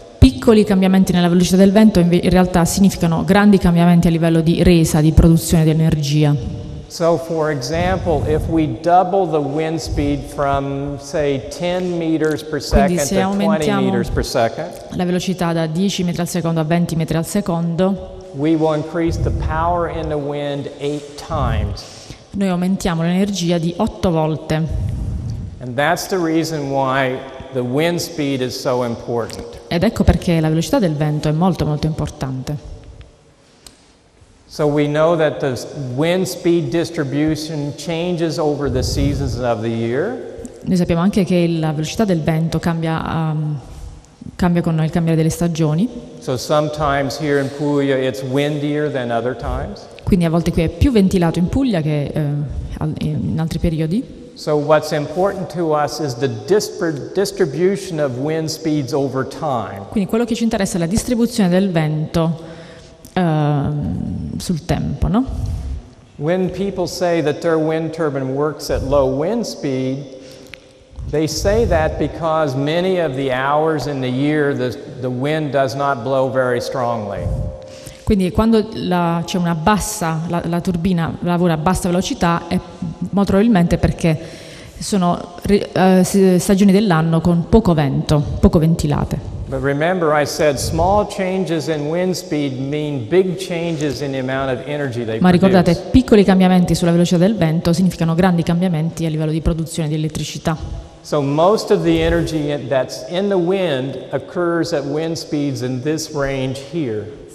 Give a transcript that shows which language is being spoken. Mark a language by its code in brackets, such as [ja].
[it] Piccoli cambiamenti nella velocità del vento in realtà significano grandi cambiamenti a livello di resa, di produzione di energia. [en] So for example, if we double the wind speed from say 10 meters per second to 20 meters per second. [it] La velocità da 10 metri al secondo a 20 metri al secondo. [en] We will increase the power in the wind 8 times. [it] Noi aumentiamo l'energia di 8 volte. [en] And that's the reason why the wind speed is so important. [it] Ed ecco perché la velocità del vento è molto molto importante. [en] So we know that the wind speed distribution changes over the seasons of the year. [it] Noi sappiamo anche che la velocità del vento cambia cambia con il cambiare delle stagioni. [en] So sometimes here in Puglia it's windier than other times. [it] Quindi a volte qui è più ventilato in Puglia che in altri periodi. [en] So what's important to us is the distribution of wind speeds over time. [it] Quindi quello che ci interessa è la distribuzione del vento sul tempo, no? [en] When people say that their wind turbine works at low wind speed, they say that because many of the hours in the year the wind does not blow very strongly. [it] Quindi quando c'è una bassa la turbina lavora a bassa velocità è molto probabilmente perché sono stagioni dell'anno con poco vento, poco ventilate. [en] But remember I said small changes in wind speed mean big changes in the amount of energy they produce. [it] Ma ricordate, piccoli cambiamenti sulla velocità del vento significano grandi cambiamenti a livello di produzione di elettricità. [en] So most of the energy that's in the wind occurs at wind speeds in this range here.